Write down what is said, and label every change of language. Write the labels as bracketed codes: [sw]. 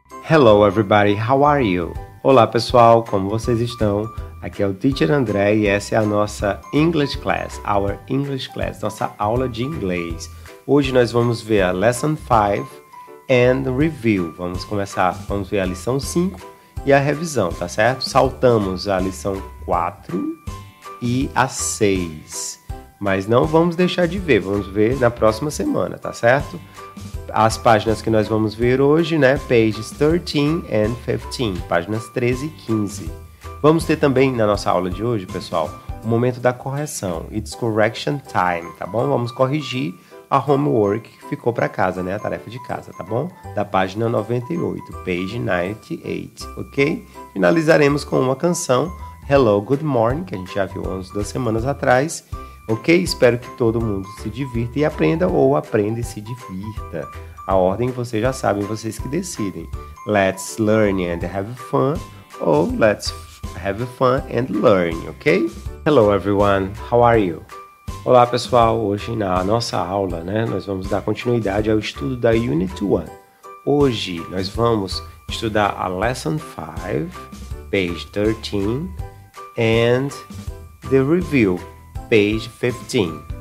[en] Hello everybody, how are you? [pt] Olá pessoal, como vocês estão? Aqui é o Teacher André e essa é a nossa English Class, [en] our English Class, [pt] nossa aula de inglês. Hoje nós vamos ver a [en] Lesson 5 and Review. [pt] Vamos começar, vamos ver a lição 5 e a revisão, tá certo? Saltamos a lição 4 e a 6, mas não vamos deixar de ver, vamos ver na próxima semana, tá certo? As páginas que nós vamos ver hoje, né? [en] Pages 13 and 15, [pt] páginas 13 e 15. Vamos ter também na nossa aula de hoje, pessoal, o momento da correção. It's correction time, tá bom? Vamos corrigir a homework que ficou para casa, né? A tarefa de casa, tá bom? Da página 98, [en] page 98, [pt] ok? Finalizaremos com uma canção, Hello, Good Morning, que a gente já viu há umas 2 semanas atrás. Ok? Espero que todo mundo se divirta e aprenda, ou aprenda e se divirta. A ordem vocês já sabem, vocês que decidem. [en] Let's learn and have fun, ou let's have fun and learn, ok? Hello everyone, how are you? [pt] Olá pessoal, hoje na nossa aula, né, nós vamos dar continuidade ao estudo da Unit 1. Hoje nós vamos estudar a [en] Lesson 5, page 13, and the review. Page 15.